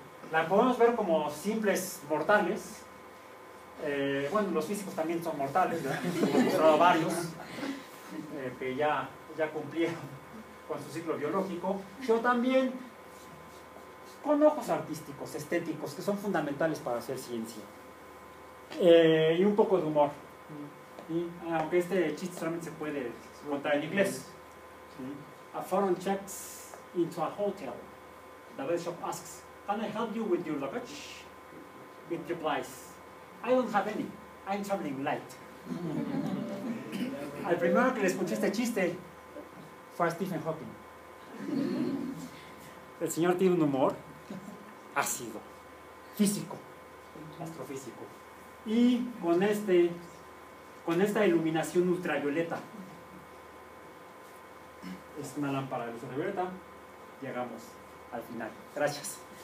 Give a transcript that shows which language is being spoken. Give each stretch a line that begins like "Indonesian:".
Spanish: La podemos ver como simples mortales. Bueno, los físicos también son mortales, ¿verdad? Hemos encontrado varios que ya cumplieron con su ciclo biológico, sino también con ojos artísticos, estéticos, que son fundamentales para hacer ciencia. Y un poco de humor. ¿Sí? Aunque este chiste solamente se puede contar en inglés. ¿Sí?
English: A foreign checks into a hotel. The bell shop asks, can I help you with your luggage? It replies, I don't have any. I'm traveling light.
Spanish: Al primero que le escuché este chiste fue a Stephen Hawking. El señor tiene un humor ácido, físico, astrofísico. Y con esta iluminación ultravioleta, es una lámpara de ultravioleta, llegamos al final. Gracias.